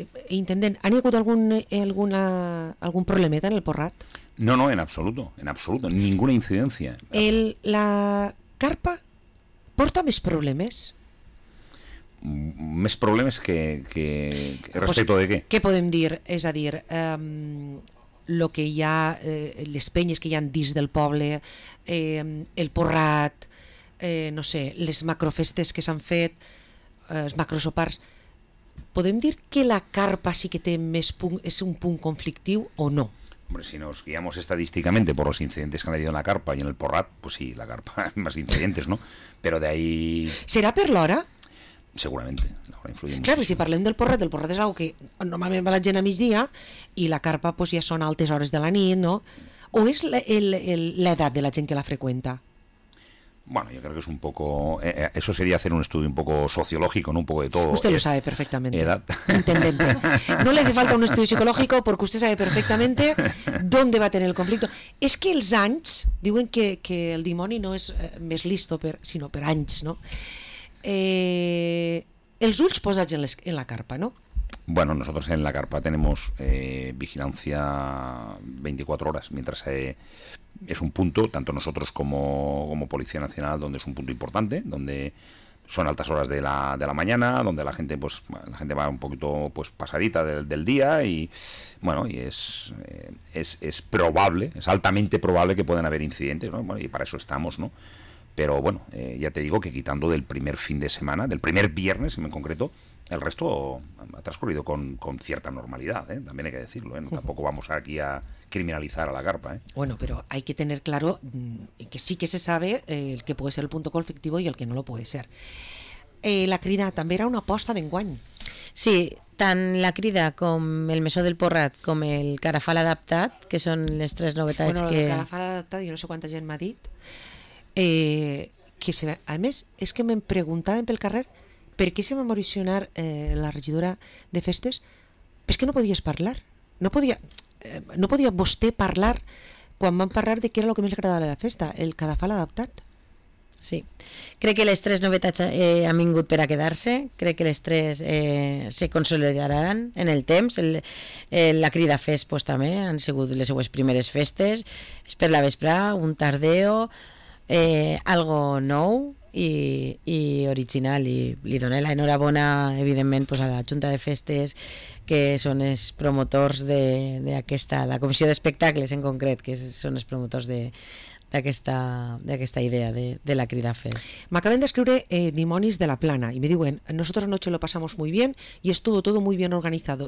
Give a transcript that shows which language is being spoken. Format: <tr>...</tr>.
<ca>intendent, ¿han hagut algun problemeta en el Porrat?</ca> <es>No, en absoluto, ninguna incidencia.</es> <ca>La carpa porta més problemes? Més problemes que respecte de què? Què podem dir? És a dir... lo que hi ha, les penyes que hi ha dins del poble, el Porrat, no sé, les macrofestes que s'han fet, els macrosopars, podem dir que la carpa sí que té més punt, és un punt conflictiu o no?</ca> <es>Hombre, si nos guiamos estadísticamente por los incidentes que han habido en la carpa y en el Porrat, pues sí, la carpa, más incidentes, ¿no? Pero de ahí... ¿Será</es> <ca>per l'hora? Segurament, l'hora influye</ca> <es>mucho.</es> <ca>Claro, si parlem del Porrat és algo que normalment va la gent a migdia, i la carpa pues ja són altes hores de la nit, ¿no? O és l'edat de la gent que la freqüenta?</ca> <es>Bueno, yo creo que es un poco... eso sería hacer un estudio un poco sociológico, ¿no? Un poco de todo. Usted lo sabe perfectamente. Edad. Intendente. No le hace falta un estudio psicológico, porque usted sabe perfectamente dónde va a tener el conflicto.</es> <ca>Es que els anys, diuen que el dimoni no és més listo, sinó per anys, ¿no? Els ulls posats en la carpa, ¿no?</ca> <es>Bueno, nosotros en la carpa tenemos vigilancia 24 horas, mientras es un punto, tanto nosotros como Policía Nacional, donde es un punto importante, donde son altas horas de la mañana, donde la gente va un poquito pues pasadita del día, y bueno, y es probable, es altamente probable que puedan haber incidentes, ¿no? Bueno, y para eso estamos, ¿no? Pero bueno, ya te digo que quitando del primer fin de semana, del primer viernes en concreto, el resto ha transcurrido con cierta normalidad, ¿eh? También hay que decirlo, ¿eh? No, tampoco vamos aquí a criminalizar a la carpa, ¿eh? Bueno, pero hay que tener claro que sí que se sabe el que puede ser el punto conflictivo y el que no lo puede ser.</es> <ca>La crida també era una aposta d'enguany. Sí, tant la crida com el mesó del Porrat, com el carafal adaptat, que són les tres novetats. Bueno, que... el carafal adaptat, jo no sé quanta gent m'ha dit, que se... A més, és que me'n preguntaven pel carrer: per què se va emocionar la regidora de festes? Pues que no podies parlar. No podia vostè parlar quan van parlar de què era el que més agradava de la festa, el cadafal adaptat. Sí. Crec que l'estrès novetat ha vingut per a quedar-se. Crec que l'estrès se consolidaran en el temps. La Crida Fest pues, també han sigut les seues primeres festes. És per la vespre, un tardeo, algo nou i original. I li dono la enhorabona, evidentment, pues, a la Junta de Festes, que són els promotors d'aquesta, la Comissió d'Espectacles en concret, que són els promotors d'aquesta idea de la Crida Fest. M'acaben d'escriure Dimonis de la Plana i me diuen,</ca> <es>nosotros anoche lo pasamos muy bien y estuvo todo muy bien organizado.</es>